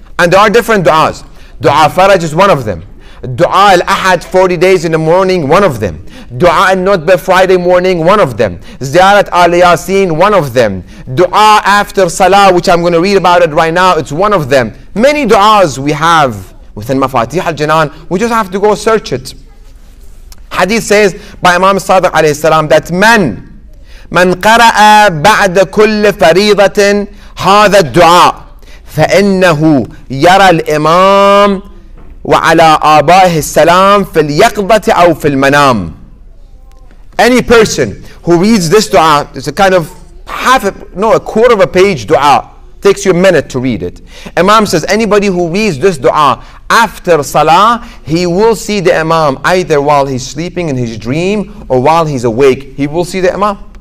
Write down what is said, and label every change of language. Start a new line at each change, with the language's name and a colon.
English: And there are different duas. Dua Faraj is one of them. Dua al-Ahad 40 days in the morning, one of them. Dua al-Nutbah Friday morning, one of them. Ziyarat al-Yasin, one of them. Dua after Salah, which I'm going to read about it right now, it's one of them. Many duas we have within Mafatih al-Jinan, we just have to go search it. Hadith says by Imam Sadiq alayhi salam that
Arabic: من قرأ بعد كل فريضة هذا الدعاء فإنه يرى الإمام وعلى آبائه السلام في اليقظة أو في المنام.
English: Any person who reads this dua, it's a kind of a quarter of a page dua, takes you a minute to read it. Imam says anybody who reads this dua after Salah, he will see the Imam either while he's sleeping in his dream or while he's awake, he will see the Imam.